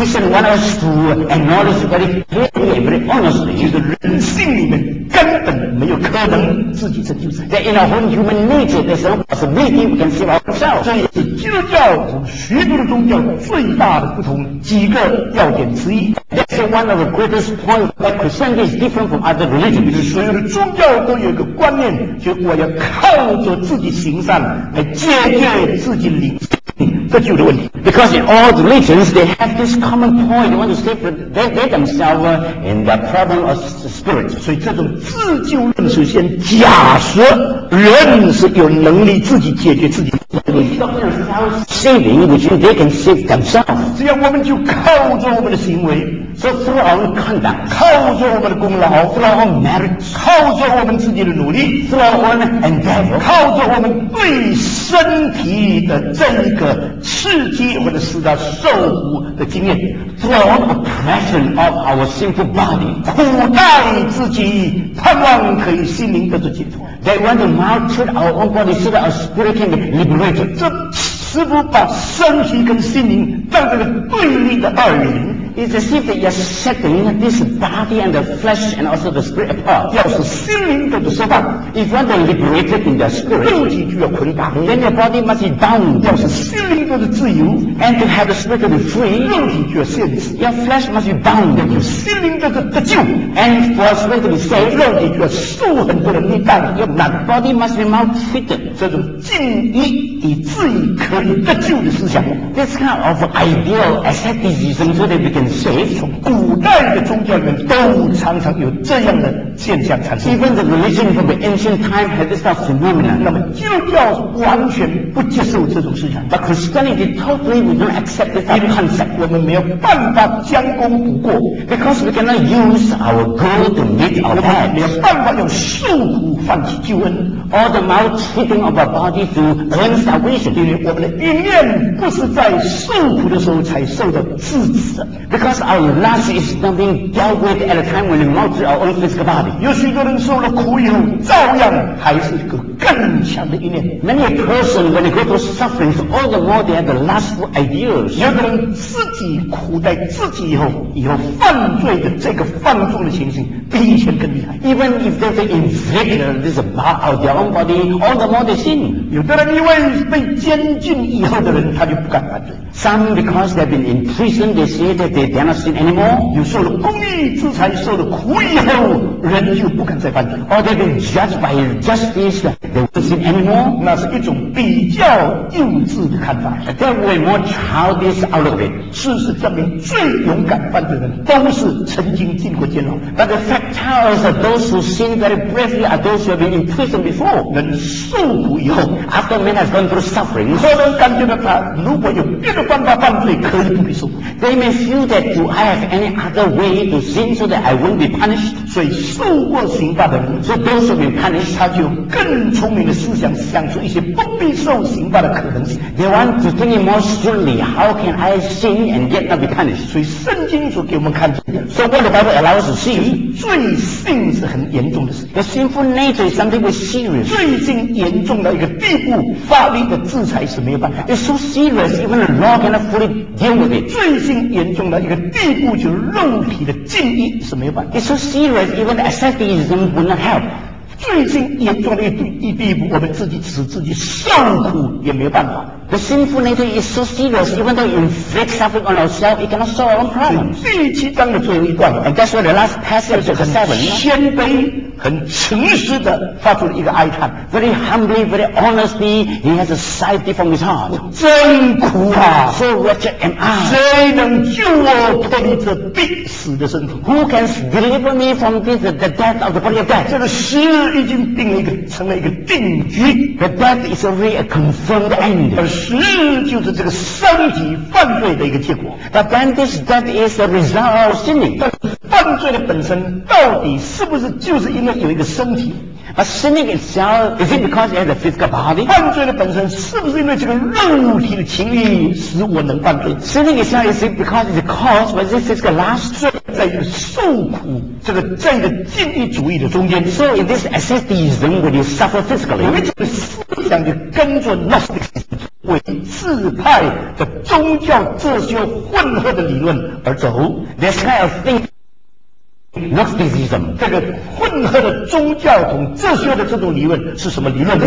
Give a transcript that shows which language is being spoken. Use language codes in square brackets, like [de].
[en] Christian want us to acknowledge very clearly, very honestly, [zh] 就是人性里面根本没有可能自己成就自己。 [en] In our own human nature, there's no possibility we can save ourselves. [zh] 这也是基督教和许多的宗教最大的不同几个要点之一。 [en] That's one of the greatest points that Christianity is different from other religions. [zh] 所有的宗教都有一个观念，就我要靠着自己行善来解决自己灵得救的问题。 [en] Because in all the religions, they have this common point. They want to save they themselves in the problem of spirit. [zh] 所以这种自救论首先假设人是有能力自己解决自己的问题。 [en] Saving, which they can save themselves. [zh] 只要我们就靠着我们的行为。 [en] So through our own conduct, [zh] 靠着我们的功劳 [en] ，through our own merit, [zh] 靠着我们自己的努力 [en] ，through our own endeavor, [zh] 靠着我们对身体的这个刺激或者是到受苦的经验 [en] ，through our own oppression of our sinful body, [zh] 苦待自己，盼望可以心灵得到解脱。 [en] They want to maltreat our own body so that our spirit can be liberated. [zh] 这似乎把身体跟心灵当成了对立的二元。 [en] It's as if they are setting this body and the flesh and also the spirit apart. [zh] 要是心灵得到释放 [en] ，If one day liberated in the spirit， [zh] 肉体就要捆绑。 [en] Then your body must be bound。 [zh] 要是心灵得到自由 [en] ，And to have the spirit to be free， [zh] 肉体就要限制。 [en] Your flesh must be bound。 [zh] 要是心灵得到得救 [en] ，And for spirit to be saved， [zh] 肉体就要受很多的逆难。 [en] Your body must be maltreated。 [zh] 这种尽力以自己可以得救的思想 [en] ，This kind of ideal asceticism， [zh] 说的。从古代的宗教里面都常常有这样的现象产生。 [en] Even the religion from the ancient time had this phenomenon。 [zh] 那么基督教完全不接受这种思想。 [en] But Christianity totally we don't accept this concept。 [zh] 我们没有办法将功补过。 [en] Because we cannot use our goal to meet our debt。 [zh] 我们没有办法用受苦换取救恩。 [en] Or the maltreating of our body to earn salvation。 [zh] 因为我们的意念不是在受苦的时候才受的制止。 [en] Because our lust is not being dealt with at a time when we maltreat our own physical body. [zh] 有许多人受了苦以后，照样还是有更强的意念。 [en] Many a person when they go through sufferings, all the more they have the lustful ideas. [zh] 有的人自己苦待自己以后犯罪的这个放纵的情形比以前更厉害。 [en] Even if they've inflicted this part of their own body, all the more they sin. [zh] 有的人因为被监禁以后的人，他就不敢犯罪。 [en] Some because they've been imprisoned, they see that they dare not sin anymore. [zh] 有受了公义之财受了苦以后，人就不敢再犯罪。 [en] Or they've been judged by justice, they won't sin anymore. [zh] 那是一种比较幼稚的看法。 [en] That way more childish out of it. [zh] 事实证明，最勇敢犯罪的人都是曾经进过监牢。 [en] But the fact tells that those who sin very bravely are those who have been imprisoned before. [zh] 人受苦以后 [en] ，After man has gone through suffering, [zh] 可能感觉到他如果有别的办法犯罪，可以不被受苦。 [en] They may feel that do I have any other way to sin so that I won't be punished? [zh] 所以受过刑罚的人 [en] ，So those who have been punished, [zh] 他就更聪明的思想，想出一些不必受刑罚的可能性。 [en] They want to think more surely. How can I sin and yet not be punished? [zh] 所以圣经所给我们看见的 [en] ，So what the Bible allows us to see, [zh] 罪性是很严重的事。 [en] The sinful nature is something very serious. [zh] 罪性严重到一个地步，法律的制裁是没有办法。 [en] It's so serious, even the law cannot fully deal with it. [zh] 罪性严重到一个地步，就肉体的禁欲是没有办法。 [en] It's so serious, even the asceticism would not help. [zh] 罪性严重到一地步，我们自己使自己受苦也没有办法。 [en] The sinful nature is so serious, even though it inflicts suffering on ourselves, it cannot solve our own problems. [zh] 第七章的最后一段 [en] ，And that's why the last passage of the seven, [zh] 谦卑，很诚实的发出了一个哀叹 [en] ，Very humbly, very honestly, he has a sigh deep from his heart. [zh] 真苦啊 [en] ！So wretched am I. [zh] 谁能救我脱离这必死的身体 [en] ？Who can deliver me from this the death of the body of death? [zh] 这个死已经定了一个，成了一个定局。 [en] The death is already a confirmed end. [zh] 死就是这个身体犯罪的一个结果。 [en] But then this death is a result of sinning. [zh] 但犯罪的本身到底是不是就是因为有一个身体？ [en] But sinning itself, is it because it has a physical body? [zh] 犯罪的本身是不是因为这个肉体的情欲使我能犯罪？ [en] Sinning itself, is it because it's a cause for this physical lust? [zh] 所以在这个受苦这个禁欲主义的中间， [en] So in this asceticism, when you suffer physically, [zh] 我们这个思想就跟着 lustic 为自派的宗教哲学混合的理论而走。 [en] This kind of thing. Gnosticism [zh] 这个混合的宗教统哲学的这种理论是什么理论？这